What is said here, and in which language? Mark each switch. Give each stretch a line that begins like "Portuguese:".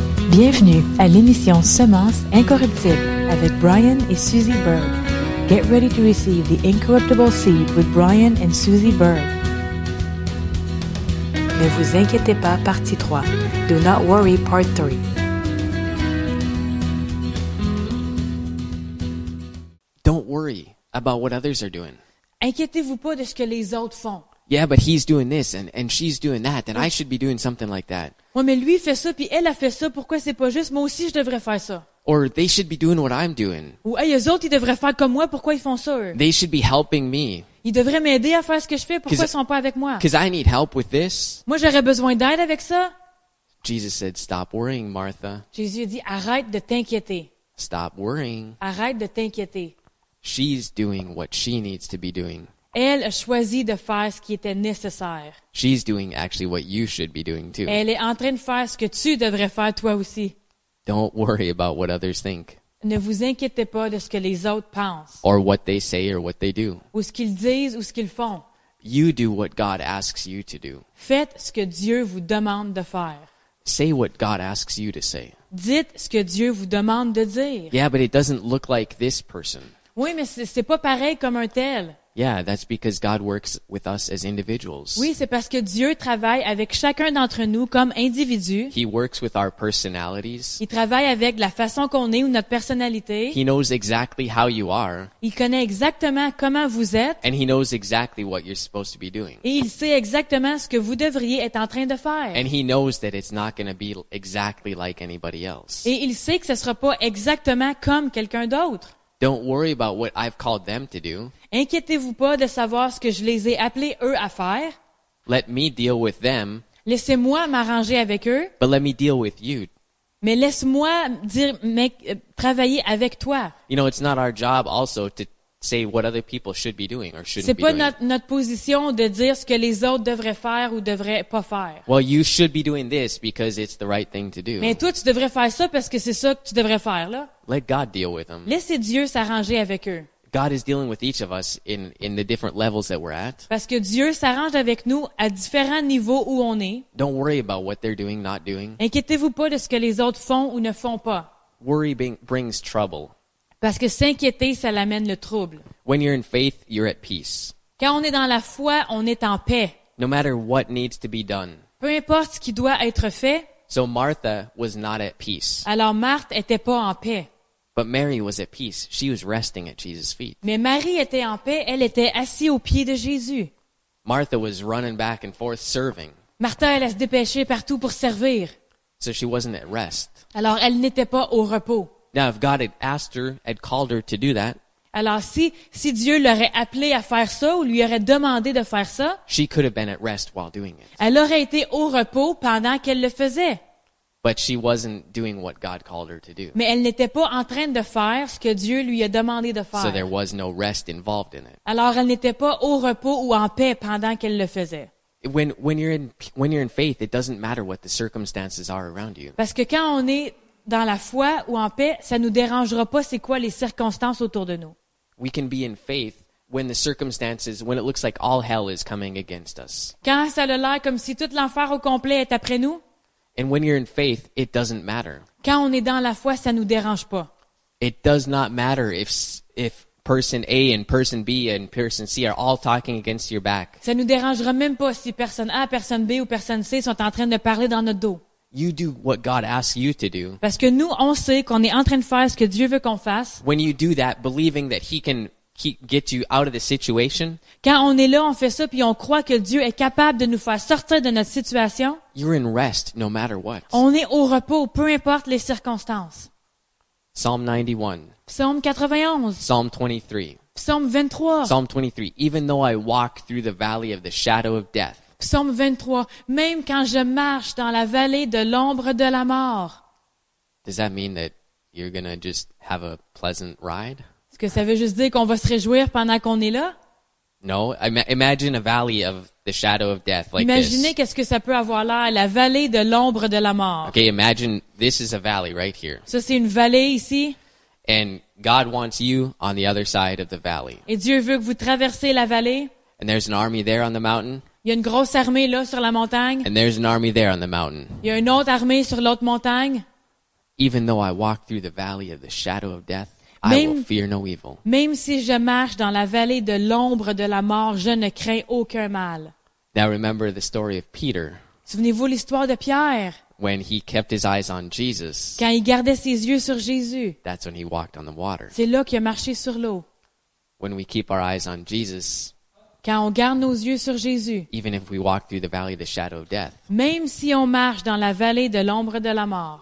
French: Bienvenue à l'émission Semence incorruptible avec Brian et Suzy Berg.
English: Get ready to receive the incorruptible seed with Brian and Suzy Berg.
French: Ne vous inquiétez pas, partie 3.
English: Do not worry, part 3. Don't worry about what others are doing.
French: Inquiétez-vous pas de ce que les autres font.
English: Yeah, but he's doing this and she's doing that, and I should be doing something like that.
French: Ouais, mais lui fait ça puis elle a fait ça. Pourquoi c'est pas juste? Moi aussi je devrais faire ça.
English: Or they should be doing what I'm doing.
French: Ou hey, eux autres ils devraient faire comme moi. Pourquoi ils font ça? Eux?
English: They should be helping me.
French: Ils devraient m'aider à faire ce que je fais. Pourquoi ils sont pas avec moi?
English: Because I need help with this.
French: Moi j'aurais besoin d'aide avec ça.
English: Jesus said, "Stop worrying, Martha."
French: Jésus dit, arrête de t'inquiéter.
English: Stop worrying.
French: Arrête de t'inquiéter.
English: She's doing what she needs to be doing.
French: Elle a choisi de faire ce qui était nécessaire.
English: She's doing actually what you should be doing too.
French: Elle est en train de faire ce que tu devrais faire toi aussi.
English: Don't worry about what others think.
French: Ne vous inquiétez pas de ce que les autres pensent.
English: Or what they say or what they do.
French: Ou ce qu'ils disent ou ce qu'ils font.
English: You do what God asks you to do.
French: Faites ce que Dieu vous demande de faire.
English: Say what God asks you to say.
French: Dites ce que Dieu vous demande de dire.
English: Yeah, but it doesn't look like this person.
French: Oui, mais c'est pas pareil comme un tel.
English: Yeah, that's because God works with us as individuals.
French: Oui, c'est parce que Dieu travaille avec chacun d'entre nous comme individus.
English: He works with our personalities.
French: Il travaille avec la façon qu'on est ou notre personnalité.
English: He knows exactly how you are.
French: Il connaît exactement comment vous êtes.
English: And he knows exactly what you're supposed to be doing.
French: Et il sait exactement ce que vous devriez être en train de faire.
English: And he knows that it's not going to be exactly like anybody else.
French: Et il sait que ce sera pas exactement comme quelqu'un d'autre.
English: Don't worry about what I've called them to do.
French: Inquiétez-vous pas de savoir ce que je les ai appelés eux à faire.
English: Let me deal with them.
French: Laissez-moi m'arranger avec eux.
English: But let me deal with you.
French: Mais laisse-moi dire, mec, travailler avec toi.
English: You know, it's not our job also to say what other people should be doing or shouldn't
French: c'est
English: be doing.
French: C'est pas notre position de dire ce que les autres devraient faire ou devraient pas faire.
English: Well, you should be doing this because it's the right thing to do.
French: Mais toi, tu devrais faire ça parce que c'est ça que tu devrais faire, là.
English: Let God deal with them.
French: Laissez Dieu s'arranger avec eux.
English: God is dealing with each of us in the different levels that we're at.
French: Parce que Dieu s'arrange avec nous à différents niveaux où on est.
English: Don't worry about what they're doing, not doing.
French: Inquiétez-vous pas de ce que les autres font ou ne font pas.
English: Worry brings trouble.
French: Parce que s'inquiéter, ça l'amène le trouble.
English: When you're in faith, you're at peace.
French: Quand on est dans la foi, on est en paix.
English: No matter what needs to be done.
French: Peu importe ce qui doit être fait.
English: So Martha was not at peace.
French: Alors Marthe était pas en paix.
English: But Mary was at peace. She was resting at Jesus' feet.
French: Mais Marie était en paix. Elle était assise aux pieds de Jésus.
English: Martha was running back and forth serving.
French: Martha, elle se dépêchait partout pour servir.
English: So she wasn't at rest.
French: Alors elle n'était pas au repos.
English: Now, if God had asked her, had called her to do that,
French: alors si Dieu l'aurait appelée à faire ça ou lui aurait demandé de faire ça,
English: she could have been at rest while doing it.
French: Elle aurait été au repos pendant qu'elle le faisait.
English: But she wasn't doing what God called her to do.
French: Mais elle n'était pas en train de faire ce que Dieu lui a demandé de faire.
English: So there was no rest involved in it.
French: Alors elle n'était pas au repos ou en paix pendant qu'elle le faisait.
English: When you're in faith, it doesn't matter what the circumstances are around you.
French: Parce que quand on est dans la foi ou en paix, ça nous dérangera pas c'est quoi les circonstances autour de nous.
English: We can be in faith when the circumstances, when it looks like all hell is coming against us.
French: Quand ça a l'air comme si tout l'enfer au complet est après nous.
English: And when you're in faith, it doesn't matter.
French: Quand on est dans la foi, ça nous dérange pas.
English: It does not matter if person A and person B and person C are all talking against your back.
French: Ça nous dérangera même pas si personne A, personne B ou personne C sont en train de parler dans notre dos.
English: You do what God asks you to do.
French: Parce que nous, on sait qu'on est en train de faire ce que Dieu veut qu'on fasse.
English: When you do that, believing that he can get you out of the situation.
French: Quand on est là, on fait ça, puis on croit que Dieu est capable de nous faire sortir de notre situation.
English: You're in rest, no matter what.
French: On est au repos, peu importe les circonstances.
English: Psalm 91. Psalm 91. Psalm 23. Psalm 23. Psalm 23. Even though I walk through the valley of the shadow of death.
French: Psaume 23, même quand je marche dans la vallée de l'ombre de la mort.
English: Does that mean that you're gonna just have a pleasant ride?
French: Est-ce que ça veut juste dire qu'on va se réjouir pendant qu'on est là?
English: No, imagine a valley of the shadow of death like
French: imaginez
English: this.
French: Qu'est-ce que ça peut avoir l'air, la vallée de l'ombre de la mort.
English: Okay, imagine this is a valley right here.
French: Ça, c'est une vallée ici.
English: And God wants you on the other side of the valley.
French: Et Dieu veut que vous traversez la vallée.
English: And there's an army there on the mountain.
French: Il y a une grosse armée là sur la montagne.
English: And there's an army there on the mountain.
French: Il y a une autre armée sur l'autre montagne.
English: Even though I walk through the valley of the shadow of death, I will fear no evil.
French: Même si je marche dans la vallée de l'ombre de la mort, je ne crains aucun mal.
English: Now remember the story of Peter.
French: Souvenez-vous l'histoire de Pierre.
English: When he kept his eyes on Jesus.
French: Quand il gardait ses yeux sur Jésus.
English: That's when he walked on the water.
French: C'est là qu'il a marché sur l'eau.
English: When we keep our eyes on Jesus.
French: Quand on garde nos yeux sur Jésus.
English: Even if we walk through the valley of the shadow of death.
French: Même si on marche dans la vallée de l'ombre de la mort.